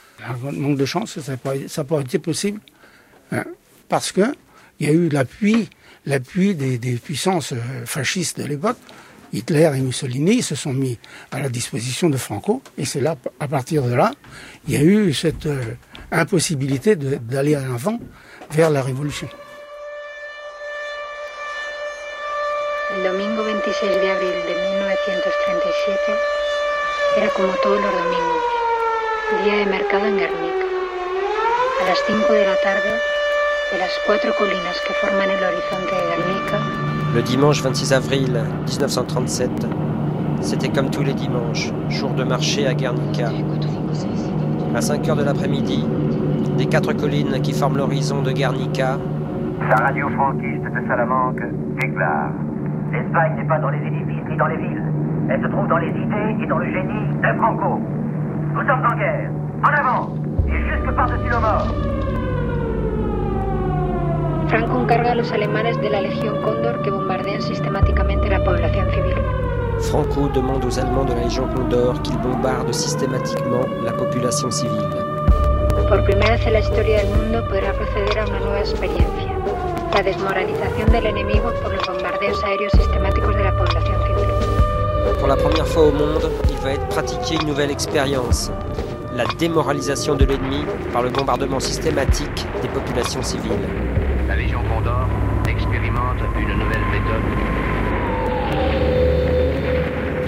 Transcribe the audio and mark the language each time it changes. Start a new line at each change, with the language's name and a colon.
French: Un manque de chance, ça n'a pas été possible. Hein, parce qu'il y a eu l'appui des puissances fascistes de l'époque. Hitler et Mussolini se sont mis à la disposition de Franco. Et c'est là, à partir de là, il y a eu cette impossibilité d'aller en avant vers la révolution.
Spanish: El domingo 26 de abril de 1937 era como todos los domingos, día de mercado en Guernica. A las 5 de la tarde, de las cuatro colinas que forman el horizonte de Guernica.
French: Le dimanche 26 avril 1937, c'était comme tous les dimanches, jour de marché à Guernica. À 5 heures de l'après-midi, des quatre collines qui forment l'horizon de Guernica. La radio franquiste de Salamanque déclare. L'Espagne n'est pas dans les édifices ni dans les villes. Elle se trouve dans les idées et dans le génie de Franco. Nous sommes en guerre. En avant. Et jusque par-dessus le mort.
Spanish: Franco encarga a los alemanes de la Legión Cóndor que bombardean sistemáticamente la población civil.
French: Franco demande aux Allemands de la Légion Condor qu'ils bombardent systématiquement la population civile.
Spanish: Por primera vez en la historia del mundo podrá proceder a una nueva experiencia. La desmoralización del enemigo por los bombardeos aéreos sistemáticos de la población civil.
French: Pour la première fois au monde, il va être pratiqué une nouvelle expérience. La démoralisation de l'ennemi par le bombardement systématique des populations civiles. La Légion Condor expérimente une nouvelle méthode.